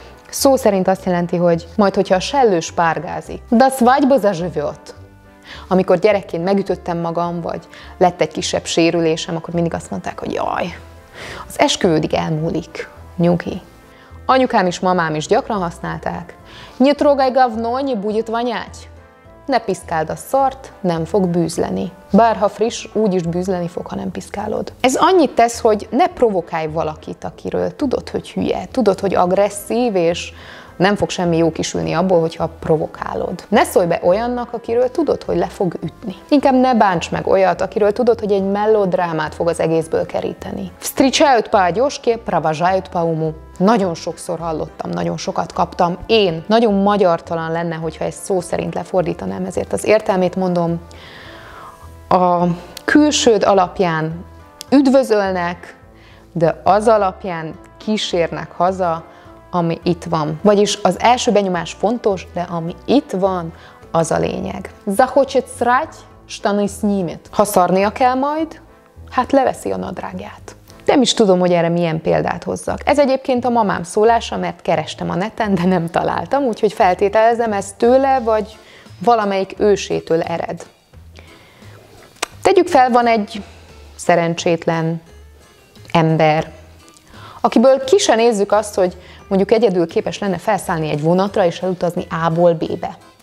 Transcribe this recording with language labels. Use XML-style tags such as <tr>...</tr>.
<hu>Szó szerint azt jelenti, hogy majd, hogyha a sellő spárgázik.</hu> <ru>Да свадьба заживет.</ru> <hu>Amikor gyerekként megütöttem magam, vagy lett egy kisebb sérülésem, akkor mindig azt mondták, hogy jaj. Az esküvődig elmúlik. Nyugi. Anyukám és mamám is gyakran használták.</hu> <ru>Не трогай говно, не будет вонять.</ru> <hu>Ne piszkáld a szart, nem fog bűzleni. Bárha friss, úgyis bűzleni fog, ha nem piszkálod. Ez annyit tesz, hogy ne provokálj valakit, akiről tudod, hogy hülye, tudod, hogy agresszív, és nem fog semmi jó kisülni abból, hogyha provokálod. Ne szólj be olyannak, akiről tudod, hogy le fog ütni. Inkább ne bánts meg olyat, akiről tudod, hogy egy mellodrámát fog az egészből keríteni.</hu> <ru>Встречают по одежке, провожают по уму.</ru> <hu>Nagyon sokszor hallottam, nagyon sokat kaptam. Én nagyon magyartalan lenne, hogyha ezt szó szerint lefordítanám, ezért az értelmét mondom. A külsőd alapján üdvözölnek, de az alapján kísérnek haza, ami itt van. Vagyis az első benyomás fontos, de ami itt van, az a lényeg.</hu> <ru>Захочет срать, штаны снимет.</ru> <hu>Ha szarnia kell majd, hát leveszi a nadrágját. Nem is tudom, hogy erre milyen példát hozzak. Ez egyébként a mamám szólása, mert kerestem a neten, de nem találtam, úgyhogy feltételezem, ez tőle, vagy valamelyik ősétől ered. Tegyük fel, van egy szerencsétlen ember, akiből ki se nézzük azt, hogy mondjuk egyedül képes lenne felszállni egy vonatra és elutazni A-ból B-be.</hu>